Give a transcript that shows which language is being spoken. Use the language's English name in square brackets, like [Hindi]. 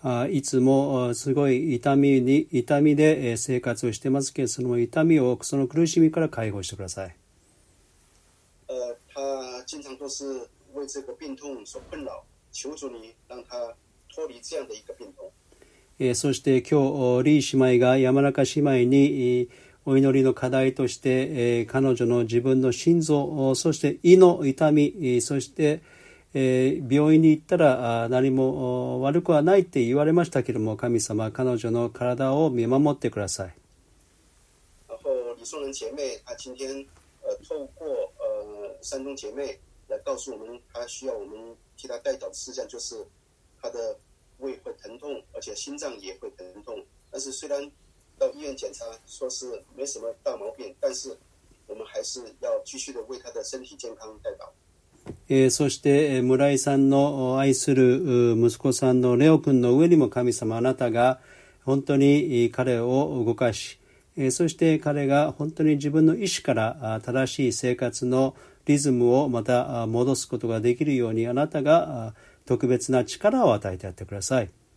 [Japanese] いつもすごい痛みで生活をしてますけど、その痛みをその苦しみから解放してください。 [Chinese] 他经常都是为这个病痛所困扰，求主你让他脱离这样的一个病痛。 [Japanese] そして今日リー姉妹が山中姉妹にお祈りの課題として彼女の自分の心臓、そして胃の痛み、そして病院に行ったら何も悪くはないって言われましたけども、神様、彼女の体を見守ってください。 [Chinese] 然后李松仁姐妹她今天透过山中姐妹来告诉我们，她需要我们替她代祷的事项，就是她的胃会疼痛，而且心脏也会疼痛，但是虽然到医院检查说是没什么大毛病，但是我们还是要继续的为她的身体健康代祷。 [Japanese] そして村井さんの愛する息子さんのレオ君の上にも、神様、あなたが本当に彼を動かし、そして彼が本当に自分の意思から正しい生活のリズムをまた戻すことができるように、あなたが特別な力を与えてやってください。